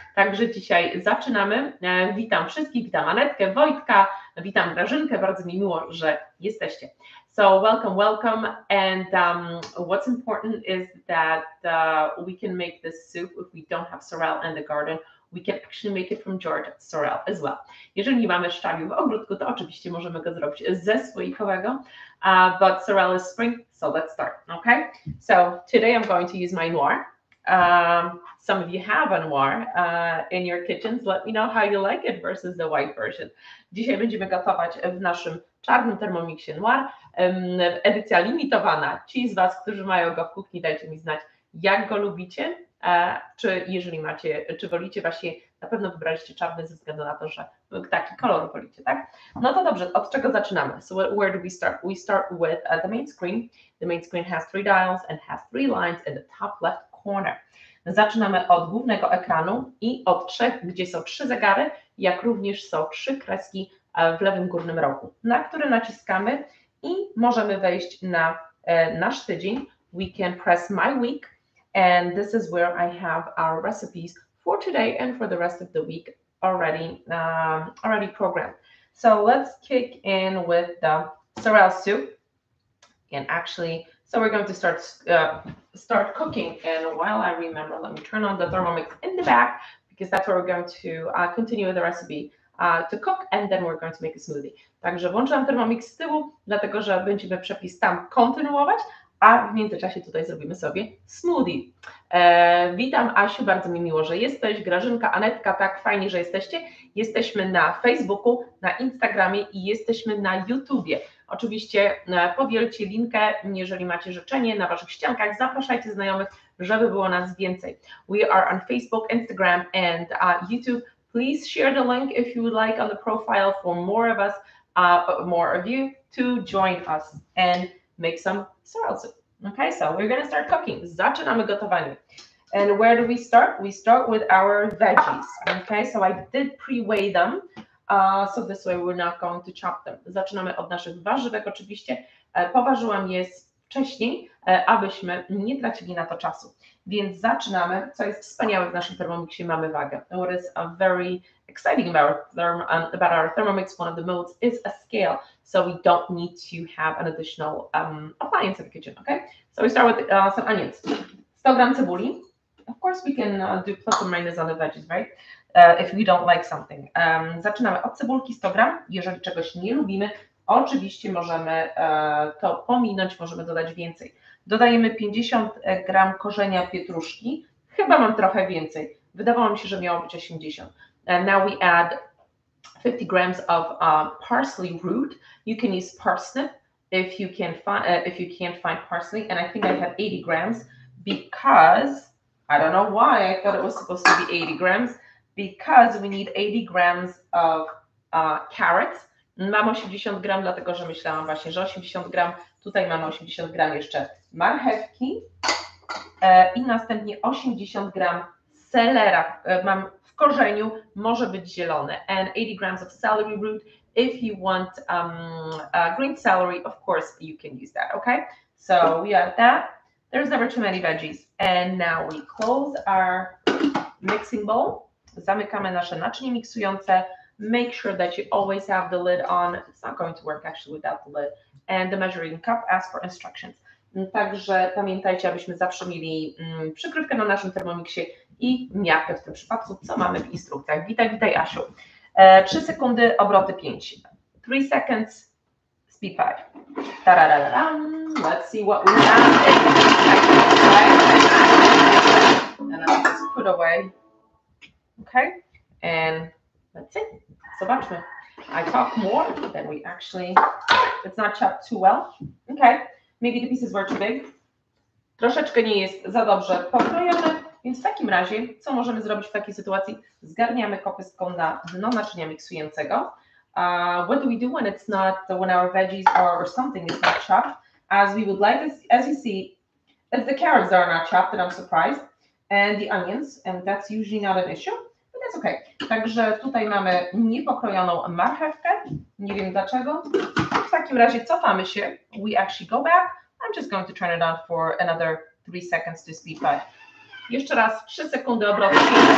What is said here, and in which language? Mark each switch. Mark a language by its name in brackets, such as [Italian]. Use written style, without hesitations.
[Polish] Także dzisiaj zaczynamy. Witam wszystkich, witam Anetkę, Wojtka, witam Grażynkę, bardzo mi miło, że jesteście. [English] So welcome, welcome. And what's important is that we can make this soup if we don't have sorrel in the garden. We can actually make it from jarred sorrel as well. [Polish] Jeżeli nie mamy szczawiu w ogródku, to oczywiście możemy go zrobić ze słoikowego. [English] But sorrel is spring, so let's start, okay? So today I'm going to use my noir. Some of you have a noir in your kitchens. Let me know how you like it versus the white version. [Polish] Dzisiaj będziemy gotować w naszym czarnym Thermomixie noir. Edycja limitowana. Ci z Was, którzy mają go w kuchni, dajcie mi znać, jak go lubicie, czy jeżeli macie, czy wolicie właśnie, na pewno wybraliście czarny ze względu na to, że taki kolor wolicie, tak? No to dobrze, od czego zaczynamy? [English] So where do we start? We start with the main screen. The main screen has three dials and has three lines in the top left corner. [Polish] Zaczynamy od głównego ekranu i od trzech, gdzie są trzy zegary, jak również są trzy kreski w lewym górnym rogu, na które naciskamy i możemy wejść na nasz tydzień. [English] We can press my week and this is where I have our recipes for today and for the rest of the week already programmed. So let's kick in with the sorrel soup. And actually, so we're going to start cooking. And while I remember, let me turn on the Thermomix in the back because that's where we're going to continue with the recipe. To cook and then we're going to make a smoothie. [Polish] Także włączam Thermomix z tyłu, dlatego że będziemy przepis tam kontynuować, a w międzyczasie tutaj zrobimy sobie smoothie. Witam Asiu, bardzo mi miło, że jesteś. Grażynka, Anetka, tak fajnie, że jesteście. Jesteśmy na Facebooku, na Instagramie i jesteśmy na YouTubie. Oczywiście powielcie linkę, jeżeli macie życzenie na waszych ściankach, zapraszajcie znajomych, żeby było nas więcej. [English] We are on Facebook, Instagram and YouTube. Please share the link if you would like on the profile for more of us, more of you to join us and make some sorrel soup. Okay, so we're going to start cooking. [Polish] Zaczynamy gotowanie. [English] And where do we start? We start with our veggies. Okay, so I did pre-weigh them. So this way we're not going to chop them. [Polish] Zaczynamy od naszych warzywek oczywiście. Poważyłam je wcześniej, abyśmy nie tracili na to czasu. Więc zaczynamy, co jest wspaniałe w naszym Thermomixie, mamy wagę. [English] What is very exciting about our Thermomix, one of the modes, is a scale. So we don't need to have an additional appliance in the kitchen, okay? So we start with some onions. [Polish] 100 gram cebuli. [English] Of course we can do plus or minus on the veggies, right? If we don't like something. [Polish] Zaczynamy od cebulki 100 gram. Jeżeli czegoś nie lubimy, oczywiście możemy to pominąć, możemy dodać więcej. Dodajemy 50 gram korzenia pietruszki. Chyba mam trochę więcej. Wydawało mi się, że miało być 80. [English] And now we add 50 grams of parsley root. You can use parsnip if you can't find parsley. And I think I have 80 grams because, I don't know why, I thought it was supposed to be 80 grams, because we need 80 grams of carrots. [Polish] Mam 80 gram, dlatego że myślałam właśnie, że 80 gram. Tutaj mamy 80 gram jeszcze marchewki i następnie 80 gram selera. Mam w korzeniu, może być zielone. [English] And 80 grams of celery root. If you want green celery, of course, you can use that, okay? So we have that. There's never too many veggies. And now we close our mixing bowl. [Polish] Zamykamy nasze naczynie miksujące. [English] Make sure that you always have the lid on. It's not going to work actually without the lid. And the measuring cup, ask for instructions. [Polish] Także pamiętajcie, abyśmy zawsze mieli przykrywkę na naszym Thermomixie i miarkę w tym przypadku, co mamy w instrukcjach. Witaj, witaj Asiu. 3 sekundy, obroty 5. [English] 3 seconds, speed 5. Tararararam. Let's see what we have. and then just put away. Okay, and that's it. [Polish] Zobaczmy. [English] I talk more than we actually, it's not chopped too well. Okay, maybe the pieces were too big. [Polish] Troszeczkę nie jest za dobrze pokrojone, więc w takim razie, co możemy zrobić w takiej sytuacji? Zgarniamy kopystką na dno naczynia miksującego. [English] What do we do when it's not, when our veggies are, or something is not chopped? As we would like, as you see, if the carrots are not chopped, then I'm surprised. And the onions, and that's usually not an issue, but that's okay. [Polish] Także tutaj mamy niepokrojoną marchewkę, nie wiem dlaczego. W takim razie cofamy się, [English] we actually go back. I'm just going to turn it on for another 3 seconds to speed by. [Polish] Jeszcze raz, 3 sekundy obrotki.